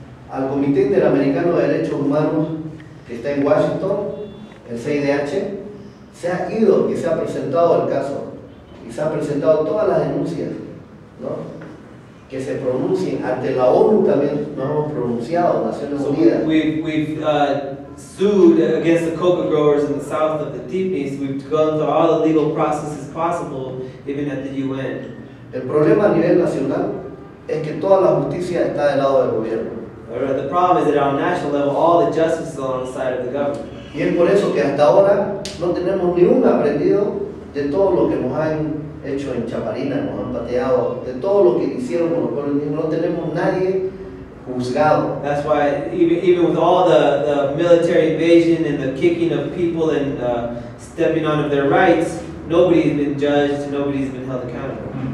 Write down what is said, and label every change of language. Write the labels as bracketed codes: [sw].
[es] Al Comité Interamericano de Derechos Humanos que está en Washington, el CIDH, se ha ido y se ha presentado el caso y se han presentado todas las denuncias, ¿no? Que se pronuncien ante la ONU también, no hemos pronunciado, Naciones Unidas. [en] We've sued against the coca growers in the south of the Tipis. We've gone through all the legal processes possible, even at the UN. [es] El problema a nivel nacional es que toda la justicia está del lado del gobierno. [en] The problem is that on a national level, all the justice is on the side of the government. [es] Y es por eso que hasta ahora no tenemos ni un aprendido de todo lo que nos han hecho en Chaparina, nos han pateado, de todo lo que hicieron con los pueblos indígenas, no tenemos nadie juzgado. [en] That's why even with all the military invasion and the kicking of people and stepping on of their rights, nobody's been judged, nobody's been held accountable.